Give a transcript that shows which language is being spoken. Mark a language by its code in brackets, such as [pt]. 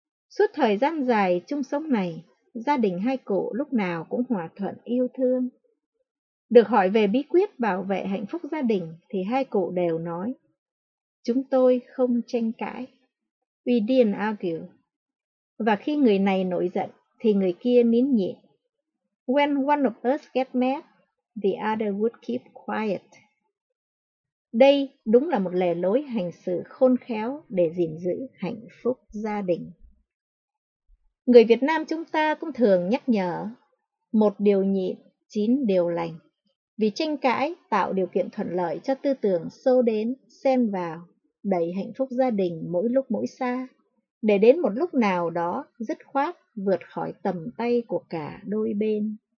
[vi] Suốt thời gian dài chung sống này, gia đình hai cụ lúc nào cũng hòa thuận yêu thương. Được hỏi về bí quyết bảo vệ hạnh phúc gia đình thì hai cụ đều nói: chúng tôi không tranh cãi. [en] We didn't argue. [vi] Và khi người này nổi giận thì người kia nín nhịn. [en] When one of us get mad, the other would keep quiet. [vi] Đây đúng là một lề lối hành xử khôn khéo để gìn giữ hạnh phúc gia đình. Người Việt Nam chúng ta cũng thường nhắc nhở: một điều nhịn, chín điều lành. Vì tranh cãi tạo điều kiện thuận lợi cho tư tưởng xô đến, xen vào, đẩy hạnh phúc gia đình mỗi lúc mỗi xa, để đến một lúc nào đó dứt khoát vượt khỏi tầm tay của cả đôi bên.